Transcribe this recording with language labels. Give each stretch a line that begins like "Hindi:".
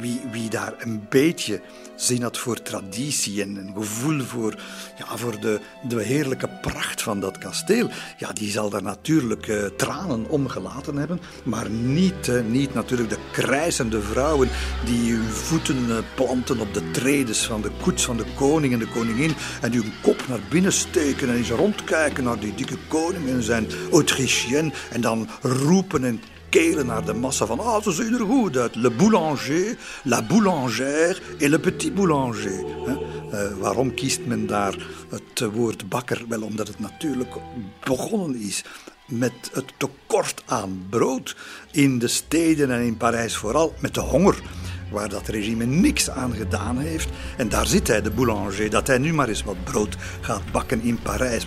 Dutch: Wie daar een beetje zin had voor traditie en een gevoel voor, ja, voor de heerlijke pracht van dat kasteel, ja, die zal daar natuurlijk tranen om gelaten hebben, maar niet natuurlijk de krijsende vrouwen die hun voeten planten op de tredes van de koets van de koning en de koningin en hun kop naar binnen steken en eens rondkijken naar die dikke koning en zijn Autrichien en dan roepen en kelen naar de massa van, ah, ze zien er goed uit.
French: Le boulanger, la boulangère et le petit boulanger.
Dutch: Waarom kiest men daar het woord bakker? Wel, omdat het natuurlijk begonnen is met het tekort aan brood in de steden en in Parijs vooral, met de honger, waar dat regime niks aan gedaan heeft. En daar zit hij, de boulanger, dat hij nu maar eens wat brood gaat bakken in Parijs.